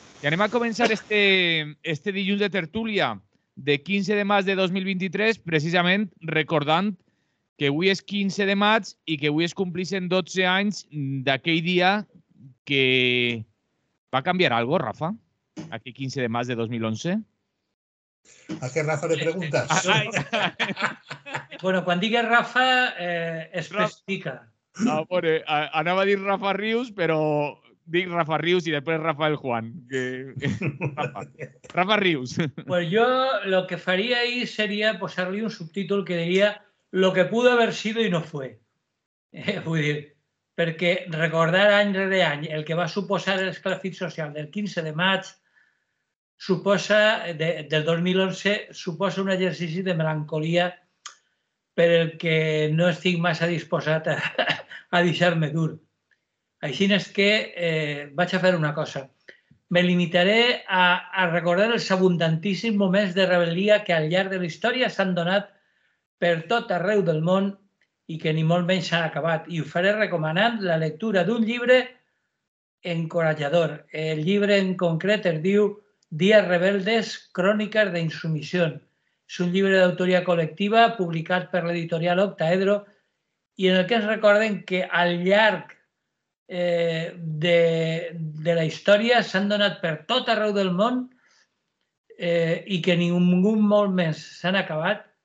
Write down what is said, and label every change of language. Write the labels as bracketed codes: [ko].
[ca] I anem a començar este dilluns de tertúlia de 15 de març de 2023, precisament recordant que avui és 15 de març i que avui es complissin 12 anys d'aquell dia que va canviar algo, Rafa, aquí 15 de març de 2011. [es] ¿A qué Rafa le preguntas? Bueno, cuando digas Rafa, especifica. [ca] Ah, pobre, anava a dir Rafa Rius, però dic Rafa Rius i després Rafael Juan. Que... Rafa. Rafa Rius. [es] Pues yo lo que faría ahí sería posarle un subtítol que diría lo que pudo haber sido y no fue. [ca] Vull dir, perquè recordar any rere any el que va suposar l'esclafit social del 15 de maig suposa, del 2011, suposa un exercici de melancolia per el que no estic massa disposat a deixar-me dur. Així és que vaig a fer una cosa. Me limitaré a recordar els abundantíssims moments de rebel·lia que al llarg de la història s'han donat per tot arreu del món i que ni molt menys s'han acabat. I ho faré recomanant la lectura d'un llibre encoratjador. El llibre en concret es diu Días rebeldes, crónicas de insumisión. És un llibre d'autoria col·lectiva publicat per l'editorial Octaedro i en el que ens recorden que al llarg de la història s'han donat per tot arreu del món i que ningú molt més s'han acabat.